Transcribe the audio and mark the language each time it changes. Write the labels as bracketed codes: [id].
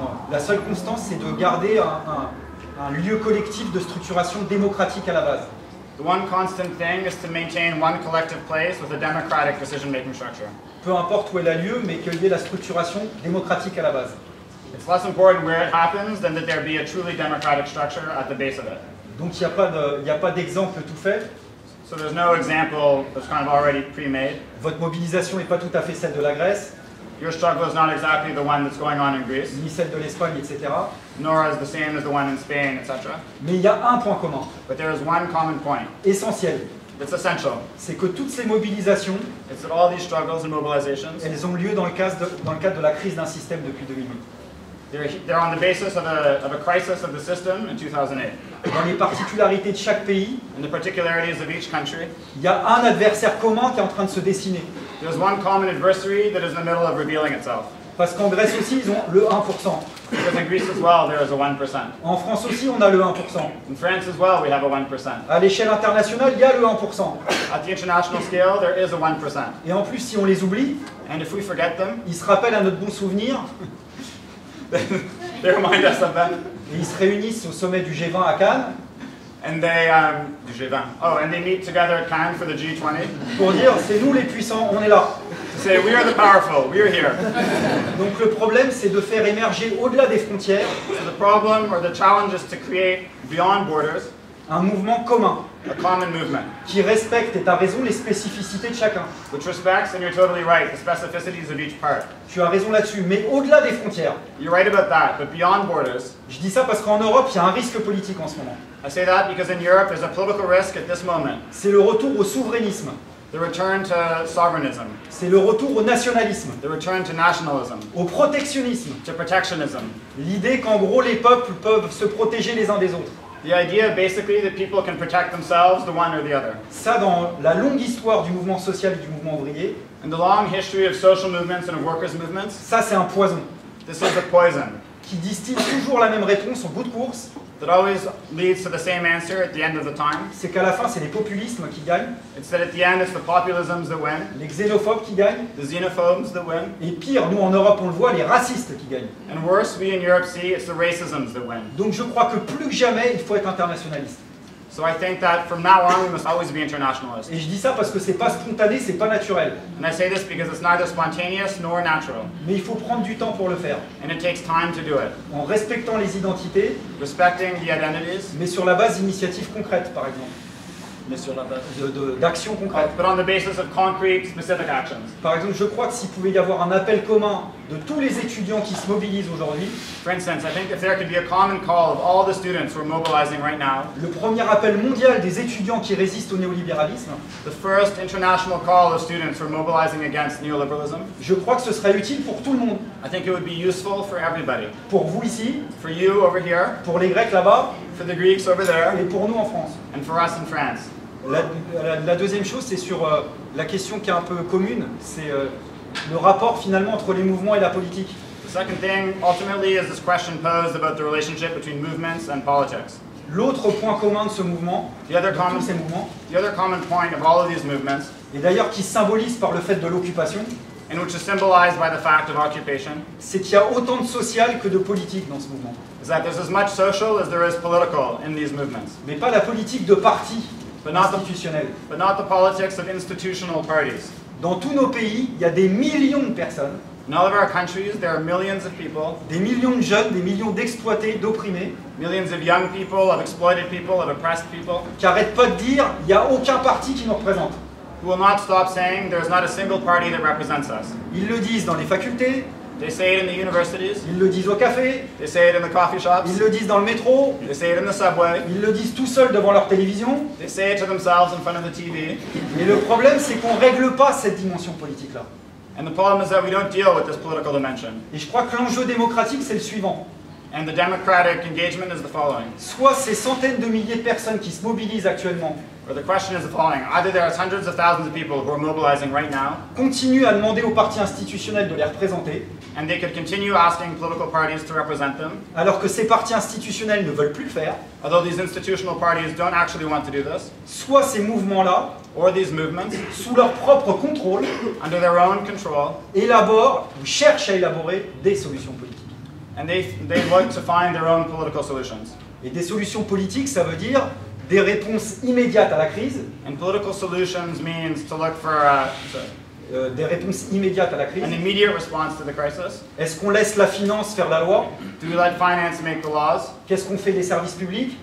[fr] La seule constance, c'est de garder un lieu collectif de structuration démocratique à la base. [en] The one constant thing is to maintain one collective place with a democratic decision-making structure. [fr] Peu importe où elle a lieu, mais qu'il y ait la structuration démocratique à la base. [en] It's less important where it happens than that there be a truly democratic structure at the base of it. [fr] Donc il n'y a pas d'exemple tout fait. [en] So there's no example that's kind of already pre-made. [fr] Votre mobilisation n'est pas tout à fait celle de la Grèce. [en] Your struggle is not exactly the one that's going on in Greece. [fr] Ni celle de l'Espagne, etc. [en] Nor is the same as the one in Spain, etc. [fr] Mais il y a un point commun. [en] But there is one common point. [fr] Essentiel. [en] It's essential. [fr] C'est que toutes ces mobilisations, [en] it's that all these struggles and mobilizations, [fr] elles ont lieu dans le cadre de la crise d'un système depuis 2008. [en] They're on the basis of a crisis of the system in 2008. [fr] Dans les particularités de chaque pays, [en] in the particularities of each country, [fr] il y a un adversaire commun qui est en train de se dessiner. [en] There's one common adversary that is in the middle of revealing itself. [fr] Parce qu'en Grèce aussi, ils ont le 1%. [en] Because in Greece as well, there is a 1%. [fr] En France aussi, on a le 1%. [en] In France as well, we have a 1%. [fr] À l'échelle internationale, il y a le 1%. [en] At the international scale, there is a 1%. [fr] Et en plus, si on les oublie, [en] and if we forget them, [fr] ils se rappellent à notre bon souvenir. [en] They remind us of them. [fr] Et ils se réunissent au sommet du G20 à Cannes. [en] And they [fr] du G20. [en] Oh, and they meet together at Cannes for the G20. [fr] Pour dire, c'est nous les puissants, on est là. [en] To say we are the powerful, we are here. [fr] Donc le problème, c'est de faire émerger au-delà des frontières. [en] So the problem or the challenge is to create beyond borders. [fr] Un mouvement commun. [en] A common movement. [fr] Qui respecte, et t'as raison, les spécificités de chacun. [en] Which respects, and you're totally right, the specificities of each part. [fr] Tu as raison là-dessus, mais au-delà des frontières. [en] You're right about that, but beyond borders. [fr] Je dis ça parce qu'en Europe, il y a un risque politique en ce moment. [en] I say that because in Europe, there's a political risk at this moment. [fr] C'est le retour au souverainisme. [en] The return to sovereignism. [fr] C'est le retour au nationalisme. [en] The return to nationalism. [fr] Au protectionnisme. [en] To protectionism. [fr] L'idée qu'en gros, les peuples peuvent se protéger les uns des autres. [en] The idea, basically, that people can protect themselves, the one or the other. [fr] Ça, dans la longue histoire du mouvement social et du mouvement ouvrier. [en] In the long history of social movements and of workers' movements. [fr] Ça, c'est un poison. [en] This is a poison. [fr] Qui distille toujours la même réponse au bout de course. [en] That always leads to the same answer at the end of the time. [fr] C'est qu'à la fin, c'est les populismes qui gagnent. [en] It's that at the end, it's the populisms that win. [fr] Les xénophobes qui gagnent. [en] The xenophobes that win. [fr] Et pire, nous en Europe, on le voit, les racistes qui gagnent. [en] And worse, we in Europe see, it's the racisms that win. [fr] Donc je crois que plus que jamais, il faut être internationaliste. [en] So I think that from now on, we must always be internationalist. [fr] Et je dis ça parce que c'est pas spontané, c'est pas naturel. [en] And I say this because it's neither spontaneous nor natural. [fr] Mais il faut prendre du temps pour le faire. [en] And it takes time to do it. [fr] En respectant les identités. [en] Respecting the identities. [fr] Mais sur la base d'initiatives concrètes, par exemple. Mais sur la base d'actions concrètes. [en] But on the basis of concrete, specific actions. [fr] Par exemple, je crois que s'il pouvait y avoir un appel commun de tous les étudiants qui se mobilisent aujourd'hui. [en] For instance, I think if there could be a common call of all the students who are mobilizing right now. [fr] Le premier appel mondial des étudiants qui résistent au néolibéralisme. [en] The first international call of students who are mobilizing against neoliberalism. [fr] Je crois que ce serait utile pour tout le monde. [en] I think it would be useful for everybody. [fr] Pour vous ici. [en] For you over here. [fr] Pour les Grecs là-bas. [en] For the Greeks over there. [fr] Et pour nous en France. [en] And for us in France. [fr] La deuxième chose, c'est sur la question qui est un peu commune, c'est le rapport finalement entre les mouvements et la politique. [en] The second thing, ultimately, is this question posed about the relationship between movements and politics. [fr] L'autre point commun de ce mouvement, [en] the other common, [fr] de tous ces mouvements, [en] the other common point of all of these movements, [fr] et d'ailleurs qui symbolise par le fait de l'occupation, [en] and which is symbolized by the fact of occupation, [fr] c'est qu'il y a autant de social que de politique dans ce mouvement. [en] Is that there's as much social as there is political in these movements. [fr] Mais pas la politique de parti. [en] But not the politics of institutional parties. [fr] Dans tous nos pays, il y a des millions de personnes. [en] In all of our countries, there are millions of people. [fr] Des millions de jeunes, des millions d'exploités, d'opprimés. [en] Millions of young people, of exploited people, of oppressed people. [fr] Qui n'arrêtent pas de dire, il n'y a aucun parti qui nous représente. [en] Who will not stop saying, there is not a single party that represents us. [fr] Ils le disent dans les facultés. [en] They say it in the universities. [fr] Ils le disent au café. [en] They say it in the coffee shops. [fr] Ils le disent dans le métro. [en] They say it in the subway. [fr] Ils le disent tout seuls devant leur télévision. [en] They say it to themselves in front of the TV. [fr] Mais le problème, c'est qu'on règle pas cette dimension politique-là. [en] And the problem is that we don't deal with this political dimension. [fr] Et je crois que l'enjeu démocratique, c'est le suivant. [en] And the democratic engagement is the following. [fr] Soit ces centaines de milliers de personnes qui se mobilisent actuellement. [en] Or the question is the following. Either there are hundreds of thousands of people who are mobilizing right now. [fr] Continuent à demander aux partis institutionnels de les représenter. [en] And they could continue asking political parties to represent them. [fr] Alors que ces partis institutionnels ne veulent plus le faire. [en] Although these institutional parties don't actually want to do this. [fr] Soit ces mouvements-là. [en] Or these movements. [fr] Sous leur propre contrôle. [en] Under their own control. [fr] Élaborent ou cherchent à élaborer des solutions politiques. [en] And they look to find their own political solutions. [fr] Et des solutions politiques, ça veut dire des réponses immédiates à la crise. [en] And political solutions means to look for [fr] des réponses immédiates à la crise. [en] An immediate response to the crisis. [fr] Est-ce qu'on laisse la finance faire la loi? [en] Do we let finance make the laws? [fr] Qu'est-ce qu'on fait des services publics?